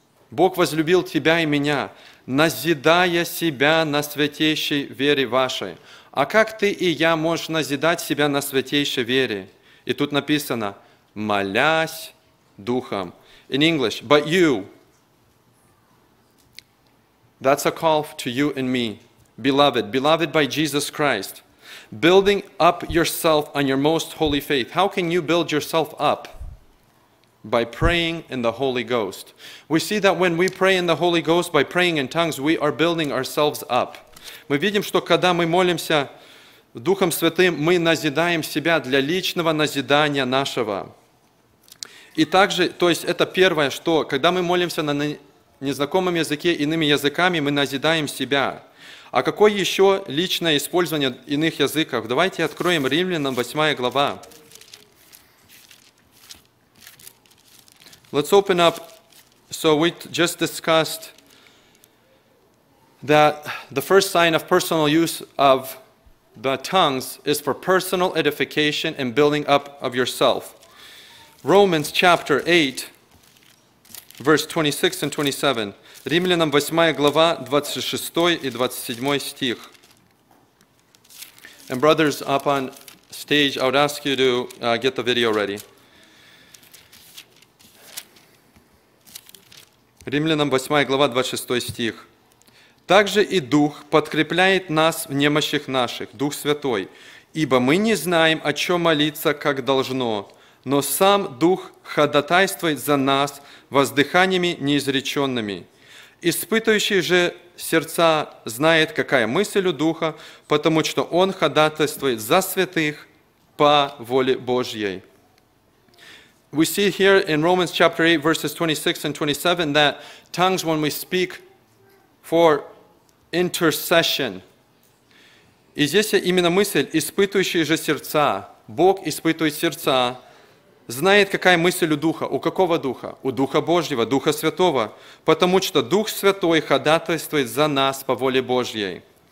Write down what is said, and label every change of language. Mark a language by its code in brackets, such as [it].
[ru] Бог возлюбил тебя и меня, назидая себя на святейшей вере вашей. А как ты и я можешь назидать себя на святейшей вере? И тут написано, молясь духом. [en] In English, but you, that's a call to you and me, beloved, beloved by Jesus Christ, building up yourself on your most holy faith. How can you build yourself up? By praying in the Holy Ghost. We see that when we pray in the Holy Ghost, by praying in tongues, we are building ourselves up. [ru] Мы видим, что когда мы молимся Духом Святым, мы назидаем себя для личного назидания нашего. И также, то есть это первое, что когда мы молимся на незнакомом языке, иными языками, мы назидаем себя. А какое еще личное использование иных языков? Давайте откроем Римлянам 8 глава. [en] Let's open up. So we just discussed that the first sign of personal use of the tongues is for personal edification and building up of yourself. Romans chapter 8, verse 26 and 27. [ru] Римлянам 8 глава, 26 и 27 стих. [en] And brothers up on stage, I would ask you to get the video ready. [ru] Римлянам 8 глава, 26 стих. Также и Дух подкрепляет нас в немощах наших, Дух Святой, ибо мы не знаем, о чем молиться, как должно, но сам Дух ходатайствует за нас воздыханиями неизреченными. Испытывающий же сердца знает, какая мысль у Духа, потому что Он ходатайствует за святых по воле Божьей. [en] We see here in Romans chapter 8, verses 26 and 27, that tongues, when we speak for intercession. [ru] И здесь именно мысль, испытывающий же сердца, Бог испытывает сердца, знает, какая мысль у Духа. У какого Духа? У Духа Божьего, Духа Святого. Потому что Дух Святой ходатайствует за нас по воле Божьей.